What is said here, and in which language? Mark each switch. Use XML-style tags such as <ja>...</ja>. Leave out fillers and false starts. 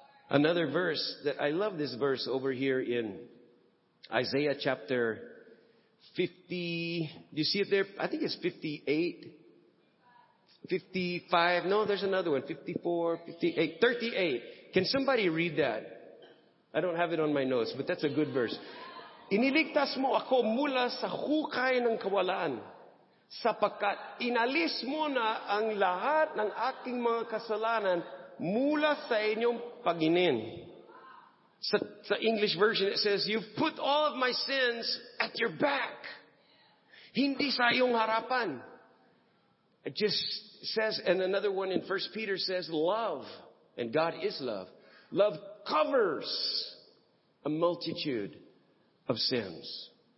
<en>Another verse that I love, this verse over here in Isaiah chapter 50. You see it there? I think it's 58. 55. No, there's another one. 54, 58, 38. Can somebody read that? I don't have it on my notes, but that's a good verse.</en> <tl>Iniligtas mo ako mula sa hukay ng kawalaan, sapagkat inalis mo na ang lahat ng aking mga kasalanan mula sa inyong paginin. Sa English version,</tl> <en>it says, you've put all of my sins at your back.</en> <tl>Hindi sa iyong harapan.</tl> <en>It just says, and another one in 1 Peter says, love, and God is love. Love covers a multitude of sins.</en>